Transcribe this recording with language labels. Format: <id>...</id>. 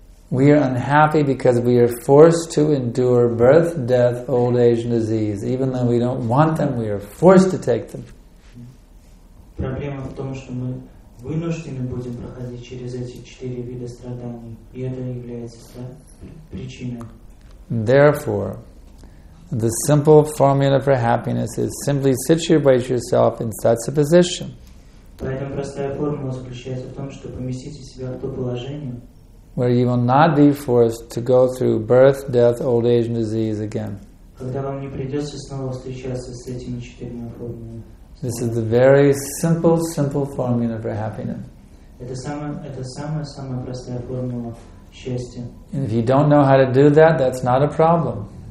<en>We are unhappy because we are forced to endure birth, death, old age, and disease. Even though we don't want them, we are forced to take them.</en> <ru>Проблема в том, что мы вынуждены будем проходить через эти четыре вида страданий, и это является причиной.</ru> <en>Therefore, the simple formula for happiness is simply situate yourself in such a position.</en> <ru>Поэтому простая формула заключается в том, что поместите себя в то положение,</ru> <en>where you will not be forced to go through birth, death, old age, and disease again. This is the very simple, simple formula for happiness. And if you don't know how to do that, that's not a problem.</en>